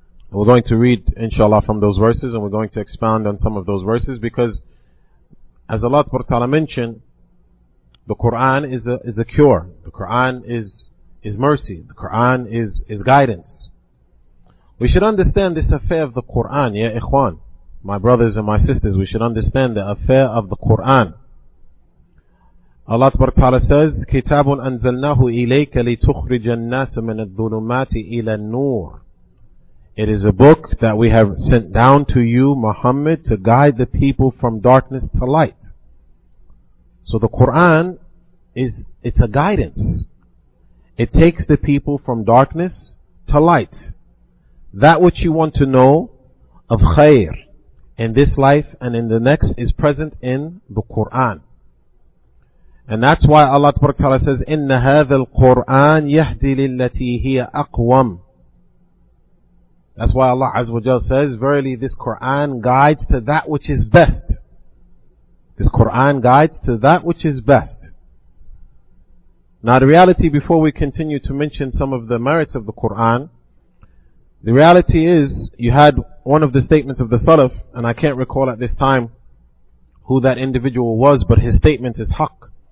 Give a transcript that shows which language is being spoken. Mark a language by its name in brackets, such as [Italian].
[English] We're going to read, inshallah, from those verses, and we're going to expound on some of those verses, because, as Allah Ta'ala mentioned, the Qur'an is a cure. The Qur'an is mercy. The Qur'an is guidance. We should understand this affair of the Qur'an, [Arabic] ya ikhwan. [English] My brothers and my sisters, we should understand the affair of the Qur'an. Allah Ta'ala says, [Arabic] كِتَابٌ أَنزَلْنَاهُ إِلَيْكَ لِتُخْرِجَ النَّاسَ مِنَ الظُّلُمَاتِ إِلَى النُّورِ. [English] It is a book that we have sent down to you, Muhammad, to guide the people from darkness to light. So the Qur'an it's a guidance. It takes the people from darkness to light. That which you want to know of khair in this life and in the next is present in the Qur'an. And that's why Allah Ta'ala says, [Arabic] إِنَّ هَذَا الْقُرْآنَ يَهْدِي لِلَّتِي هِيَ أَقْوَمُ. [English] That's why Allah Azza wa Jal says, verily this Qur'an guides to that which is best. This Qur'an guides to that which is best. Now the reality, before we continue to mention some of the merits of the Qur'an, the reality is, you had one of the statements of the Salaf, and I can't recall at this time who that individual was, but his statement is haqq.